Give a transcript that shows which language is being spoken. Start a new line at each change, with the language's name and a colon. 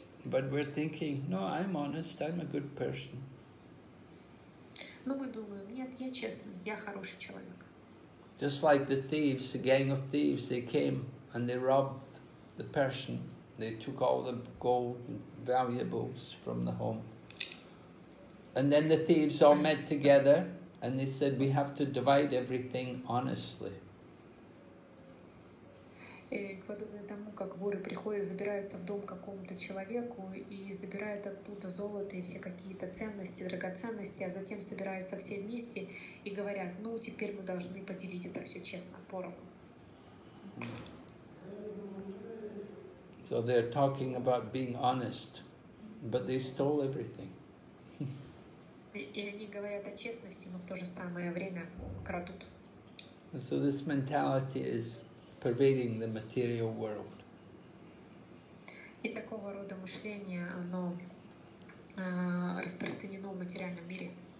English: But we're thinking, no, I'm honest, I'm a good person.
Russian: Но мы думаем, нет, я честный, я хороший человек.
English: Just like the thieves, the gang of thieves, they came and they robbed the person. They took all the gold and valuables from the home. And then the thieves all met together and they said, we have to divide everything honestly.
Russian: Подобно тому, как воры приходят, забираются в дом какому-то человеку и забирают оттуда золото и все какие-то ценности, драгоценности, а затем собираются все вместе и говорят, ну, теперь мы должны поделить это все честно, поровну.
English: So they're talking about being honest, but they stole everything.
Russian: И они говорят о честности, но в то же самое время крадут.
English: So this mentality is pervading the material world.
Russian: И такого рода мышление, оно распространено в материальном мире.